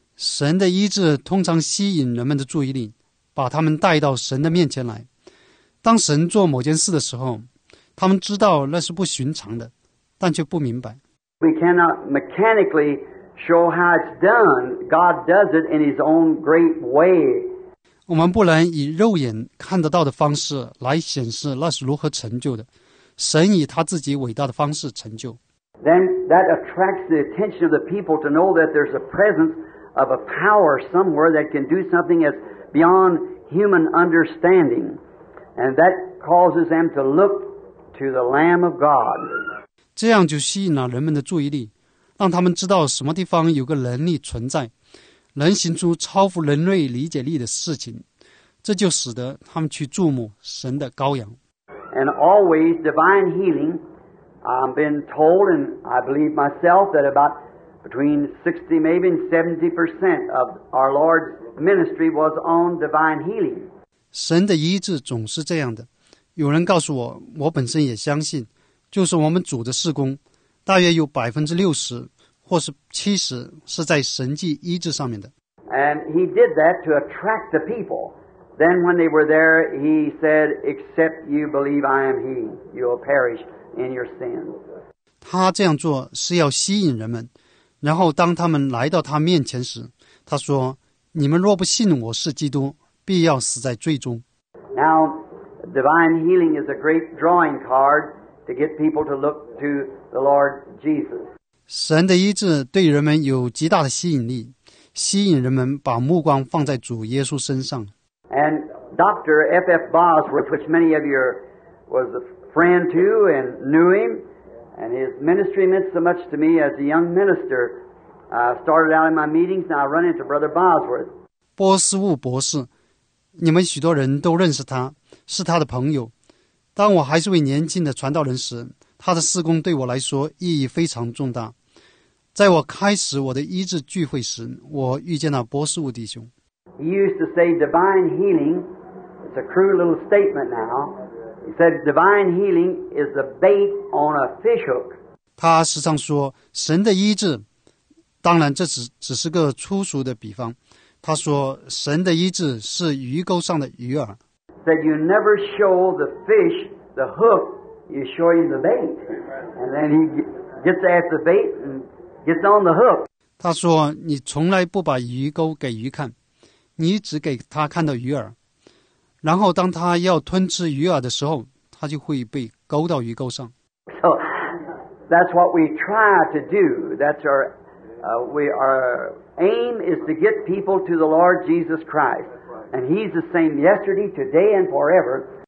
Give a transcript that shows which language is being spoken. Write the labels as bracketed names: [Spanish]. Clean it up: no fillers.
[Chinese] 神的医治通常吸引人们的注意力，把他们带到神的面前来。当神做某件事的时候，他们知道那是不寻常的，但却不明白。 [English] We cannot mechanically show how it's done. God does it in His own great way. [Chinese] 我们不能以肉眼看得到的方式来显示那是如何成就的，神以他自己伟大的方式成就。 [English] Then that attracts the attention of the people to know that there's a presenceof a power somewhere that can do something that's beyond human understanding. And that causes them to look to the Lamb of God. [Chinese] 这样就吸引了人们的注意力，让他们知道什么地方有个能力存在，能行出超乎人类理解力的事情。这就使得他们去注目神的羔羊。 [English] And always divine healing, I've been told, and I believe myself, that aboutbetween 60, maybe 70% of our Lord's ministry was on divine healing. [Chinese] 神的医治总是这样的。有人告诉我，我本身也相信，就是我们主的事工，大约有60%或是70%是在神迹医治上面的。 [English] And he did that to attract the people. Then when they were there, he said, except you believe I am he, you will perish in your sins. [Chinese] 他这样做是要吸引人们。然后当他们来到他面前时，他说，你们若不信我是基督，必要死在罪中。 [English] Now, divine healing is a great drawing card to get people to look to the Lord Jesus. [Chinese] 神的医治对人们有极大的吸引力，吸引人们把目光放在主耶稣身上。 [English] And Dr. F.F. Bosworth, which many of you was a friend to and knew him,And his ministry meant so much to me as a young minister. I started out in my meetings and I run into Brother Bosworth. [Chinese] 波斯沃博士，你们许多人都认识他，是他的朋友。当我还是位年轻的传道人时，他的事工对我来说意义非常重大。在我开始我的医治聚会时，我遇见了波斯沃弟兄。 [English] He used to say divine healing. It's a crude little statement now. He said, divine healing is the bait on a fish hook. [Chinese] 他时常说神的医治当然这只是个粗俗的比方。他说神的医治是鱼钩上的鱼饵。 [English] That you never show the fish the hook, you show him the bait. And then he gets at the bait and gets on the hook. [Chinese] 他说你从来不把鱼钩给鱼看，你只给他看到鱼饵。然后当他要吞吃鱼饵的时候，他就会被勾到鱼钩上。 [English] So, that's what we try to do. That's our, our aim is to get people to the Lord Jesus Christ. And he's the same yesterday, today, and forever.